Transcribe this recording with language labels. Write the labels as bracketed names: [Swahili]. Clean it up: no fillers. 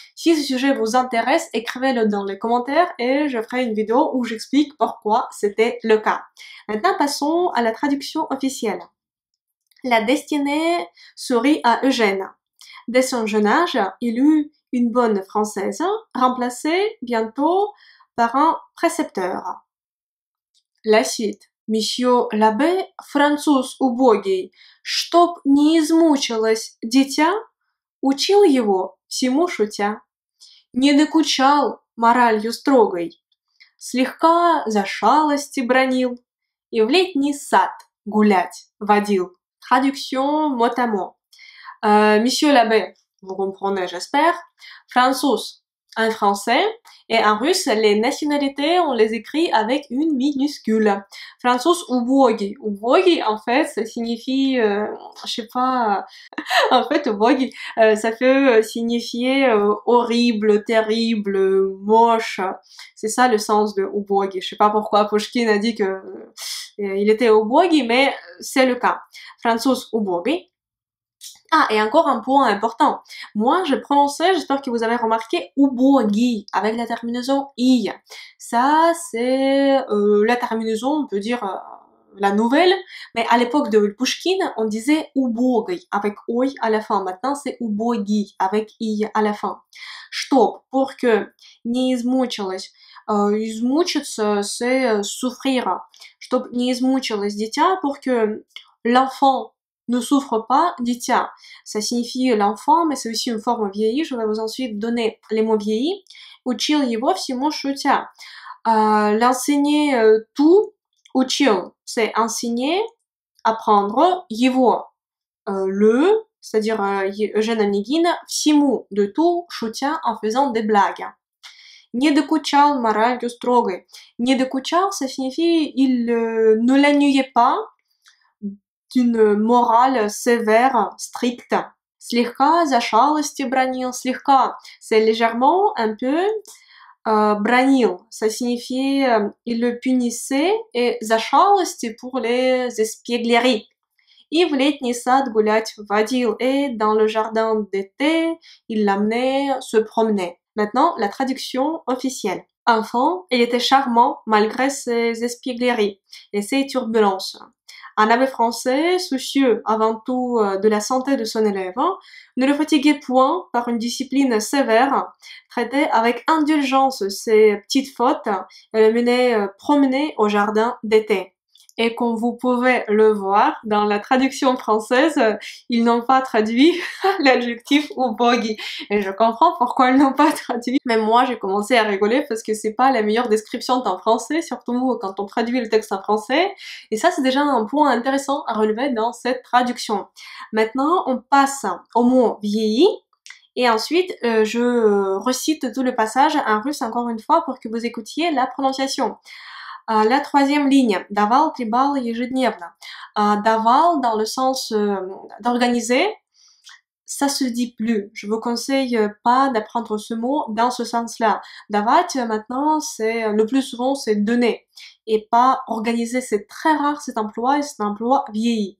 [French] Si ce sujet vous intéresse, écrivez-le dans les commentaires et je ferai une vidéo où j'explique pourquoi c'était le cas. Maintenant, passons à la traduction officielle. La destinée sourit à Eugène. Dès son jeune âge, il eut une bonne française, remplacée bientôt par un précepteur. La suite. Monsieur l'abbé, français [Russian] убогий, чтоб не измучилось дитя, учил его всему шутя, не докучал моралью строгой, слегка за шалости бронил и в летний сад гулять водил. [French] Traduction mot à mot. Monsieur l'abbé, vous comprenez, j'espère, français, un français, et en russe, les nationalités, on les écrit avec une minuscule. Français убогий. Убогий, en fait, ça signifie, je sais pas, en fait, убогий, ça peut signifier horrible, terrible, moche. C'est ça le sens de убогий. Je sais pas pourquoi Pouchkine a dit que il était убогий, mais c'est le cas. Français убогий. Ah, et encore un point important. Moi, je prononçais, j'espère que vous avez remarqué, ubogi, avec la terminaison i. Ça, c'est la terminaison, on peut dire, la nouvelle, mais à l'époque de Пушкина, on disait убогий avec ой à la fin. Maintenant, c'est убогий avec и à la fin. [Russian] Чтоб, [French] pour que, [Russian] не измучилось. [French] Измучиться, c'est souffrir. [Russian] Чтоб не измучилось дитя, [French] pour que l'enfant ne souffre pas, дитя. Ça signifie l'enfant, mais c'est aussi une forme vieillie. Je vais vous ensuite donner les mots vieillis. [Russian] Учил его всему шутя. [French] L'enseigner tout, [Russian] учил, [French] c'est enseigner, apprendre, его, le, c'est-à-dire Eugène Onegin, [Russian] всему, [French] de tout, [Russian] шутя, [French] en faisant des blagues. [Russian] Не докучал моралью строгой. Не докучал, [French] ça signifie il ne l'ennuyait pas d'une morale sévère, stricte. [Russian] Слегка за шалости бронил. [French] Слегка, c'est légèrement, un peu. Бронил, ça signifie il le punissait, et [Russian] за шалости [French] pour les espiégleries. [Russian] И в летний сад гулять водил. [French] Et dans le jardin d'été, il l'amenait se promener. Maintenant, la traduction officielle. Enfant, il était charmant malgré ses espiégleries et ses turbulences. Un abbé français, soucieux avant tout de la santé de son élève, ne le fatiguait point par une discipline sévère, traitait avec indulgence ses petites fautes et le menait promener au jardin d'été. Et comme vous pouvez le voir dans la traduction française, ils n'ont pas traduit l'adjectif ubogi. Et je comprends pourquoi ils n'ont pas traduit. Même moi, j'ai commencé à rigoler parce que c'est pas la meilleure description en français, surtout quand on traduit le texte en français. Et ça, c'est déjà un point intéressant à relever dans cette traduction. Maintenant, on passe au mot vieilli. Et ensuite, je recite tout le passage en russe encore une fois pour que vous écoutiez la prononciation. [Russian] La troisième ligne, давал три балла ежедневно. [French] Давал dans le sens d'organiser, ça se dit plus. Je vous conseille pas d'apprendre ce mot dans ce sens-là. Давать maintenant, c'est le plus souvent, c'est donner et pas organiser. C'est très rare cet emploi et c'est un emploi vieilli.